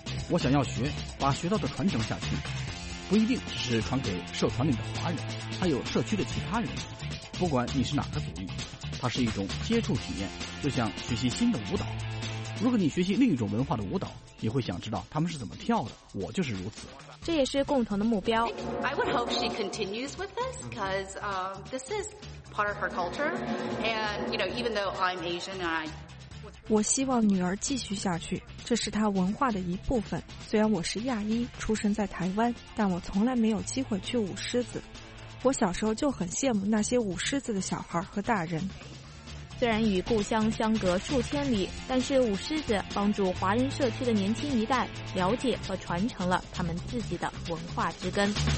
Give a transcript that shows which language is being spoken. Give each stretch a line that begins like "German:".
Chinese: 我想要学，把学到的传承下去，不一定只是传给社团里的华人，还有社区的其他人。不管你是哪个族裔，它是一种接触体验，就像学习新的舞蹈。如果你学习另一种文化的舞蹈，你会想知道他们是怎么跳的，我就是如此。这也是共同的目标。
English: I would hope she continues with this, because this is part of her culture. And, you know, even though I'm Asian and I...
Chinese: 我希望女儿继续下去，这是她文化的一部分。虽然我是亚裔，出生在台湾，但我从来没有机会去舞狮子。我小时候就很羡慕那些舞狮子的小孩和大人。虽然与故乡相隔数千里，但是舞狮子帮助华人社区的年轻一代了解和传承了他们自己的文化之根。